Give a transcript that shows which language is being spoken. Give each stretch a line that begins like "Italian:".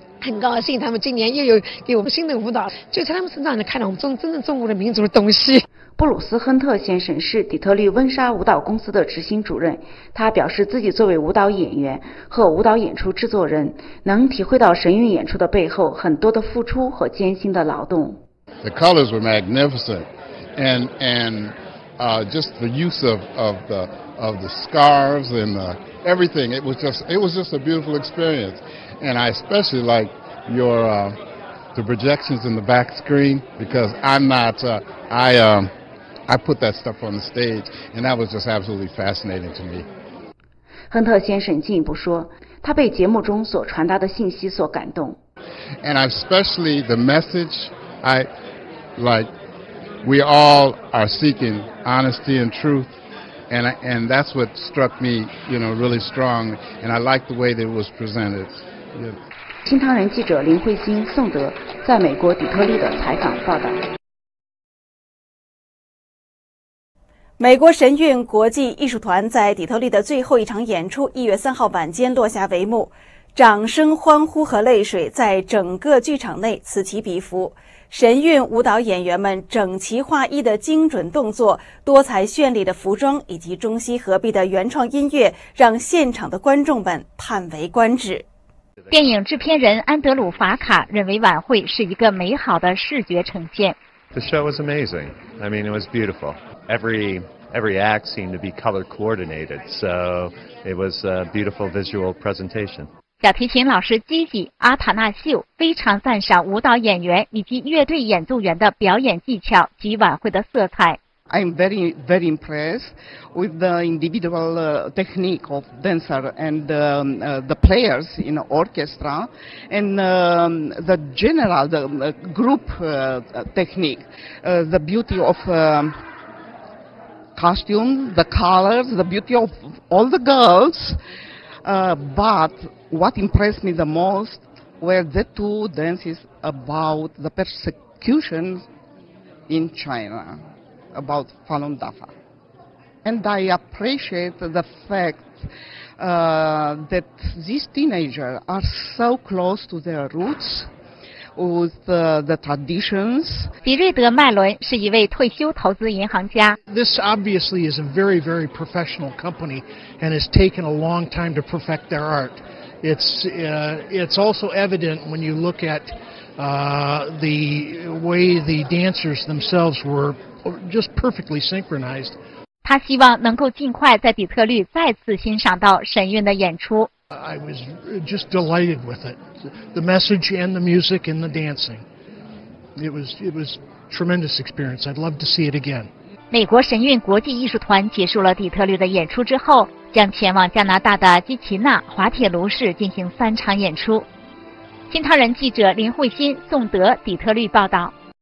Chinese: 很高兴他们今年又有给我们新的舞蹈，就在他们身上能看到我们真正中国的民族的东西。布鲁斯·亨特先生是底特律温莎舞蹈公司的执行主任，他表示自己作为舞蹈演员和舞蹈演出制作人，能体会到神韵演出的背后很多的付出和艰辛的劳动。
English: The colors were magnificent, and just the use of the scarves and the everything. It was just a beautiful experience, and I especially like the projections in the back screen, because I put that stuff on the stage, and that was just absolutely fascinating to me.
Chinese: 亨特先生进一步说，他被节目中所传达的信息所感动。
English: And especially the message Like, we all are seeking honesty and truth, and that's what struck me, you know, really strong, and I like the way that it was presented.
Chinese: 新唐人记者林慧欣、宋德在美国底特律的采访报道。美国神韵国际艺术团在底特律的最后一场演出1月3号晚间落下帷幕，掌声、欢呼和泪水在整个剧场内此起彼伏。神韵舞蹈演员们整齐划一的精准动作、多彩绚丽的服装以及中西合璧的原创音乐，让现场的观众们叹为观止。电影制片人安德鲁·法卡认为晚会是一个美好的视觉呈现。
English: The show was amazing. I mean, it was beautiful. Every act seemed to be color coordinated, so it was a beautiful visual presentation.
Chinese: 小提琴老师基吉·阿塔纳秀非常赞赏舞蹈演员以及乐队演奏员的表演技巧及晚会的色彩。
English: I'm very, very impressed with the individual technique of dancer and the players in the orchestra and the general the group technique. The beauty of costume, the colors, the beauty of all the girls. But what impressed me the most were the two dances about the persecution in China, about Falun Dafa. And I appreciate the fact that these teenagers are so close to their roots with the traditions.
Chinese: 比瑞德·麦伦是一位退休投资银行家。
English: This obviously is a very, very professional company and has taken a long time to perfect their art. It's also evident when you look at the way the dancers themselves were just perfectly synchronized.
Chinese: 他希望能够尽快在底特律再次欣赏到神韵的演出。
English: I was just delighted with it. The message and the music and the dancing. It was a tremendous experience. I'd love to see it again.
Chinese: 美国神韵国际艺术团结束了底特律的演出之后，将前往加拿大的基奇纳滑铁卢市进行3场演出。新唐人记者林慧欣、宋德底特律报道。